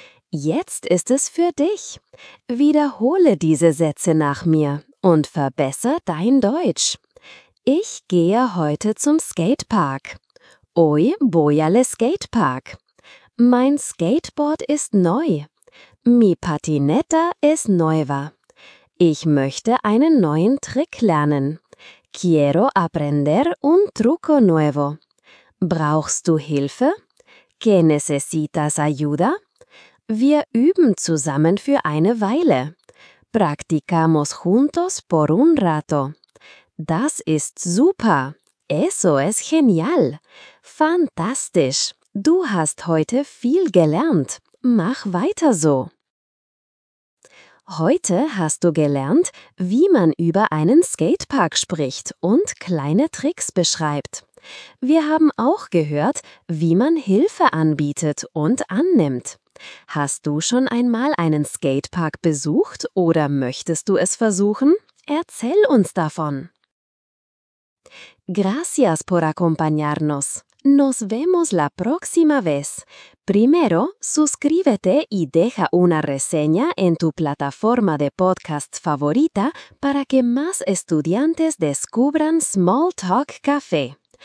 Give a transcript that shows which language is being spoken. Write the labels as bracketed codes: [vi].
[de] Jetzt ist es für dich. Wiederhole diese Sätze nach mir und verbessere dein Deutsch. Ich gehe heute zum Skatepark. [es] Hoy voy al Skatepark. [de] Mein Skateboard ist neu. [es] Mi patineta es nueva. [de] Ich möchte einen neuen Trick lernen. [es] Quiero aprender un truco nuevo. [de] Brauchst du Hilfe? [es] ¿Que necesitas ayuda? [de] Wir üben zusammen für eine Weile. [es] Practicamos juntos por un rato. [de] Das ist super. [es] Eso es genial. [de] Fantastisch. Du hast heute viel gelernt. Mach weiter so. Heute hast du gelernt, wie man über einen Skatepark spricht und kleine Tricks beschreibt. Wir haben auch gehört, wie man Hilfe anbietet und annimmt. Hast du schon einmal einen Skatepark besucht oder möchtest du es versuchen? Erzähl uns davon. [es] Gracias por acompañarnos. Nos vemos la próxima vez. Primero, suscríbete y deja una reseña en tu plataforma de podcast favorita para que más estudiantes descubran Small Talk Café.